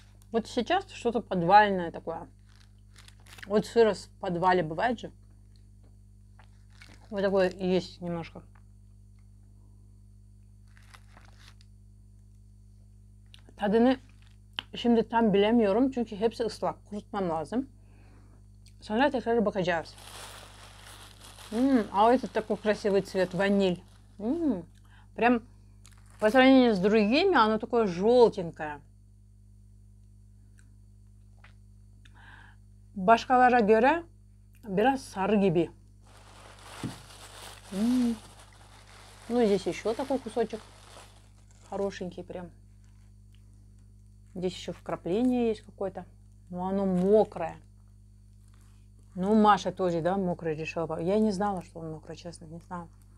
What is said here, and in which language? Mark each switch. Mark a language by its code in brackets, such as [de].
[ru] Вот сейчас что-то подвальное такое. Вот сыр в подвале бывает же. Вот такое есть немножко. [tr] Tadını şimdi tam bilemiyorum çünkü hepsi ıslak. Kurutmam lazım. Sonra tekrar bakacağız. [ru] А вот этот такой красивый цвет, ваниль. Прям по сравнению с другими, оно такое желтенькое. [tr] Başkalara göre biraz sarı gibi. [ru] Ну, здесь еще такой кусочек. Хорошенький прям. Здесь еще вкрапление есть какое-то. Но оно мокрое. Ну, Маша тоже, да, мокрое решила. Я не знала, что он мокрое, честно, не знала.